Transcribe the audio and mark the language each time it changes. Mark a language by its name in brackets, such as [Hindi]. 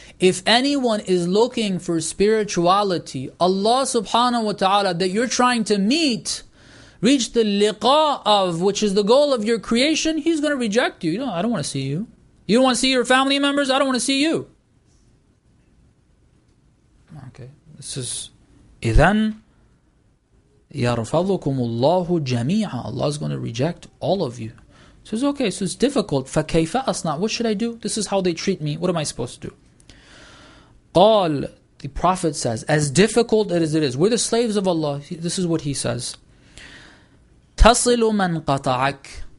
[English] If anyone is looking for spirituality, Allah subhanahu wa ta'ala, that you're trying to meet, reach the liqa of, which is the goal of your creation, He's going to reject you. You know, I don't want to see you. You don't want to see your family members? I don't want to see you. This is, [Arabic] إِذَن يَرْفَضُكُمُ اللَّهُ جَمِيعًا. [English] Allah is going to reject all of you. So it's okay, so it's difficult. [Arabic] فَكَيْفَ أَصْنَعُ. [English] What should I do? This is how they treat me. What am I supposed to do? قَال, the Prophet says, as difficult as it is, we're the slaves of Allah. This is what he says. [Arabic] تَصِلُ مَنْ قَطَعَكَ.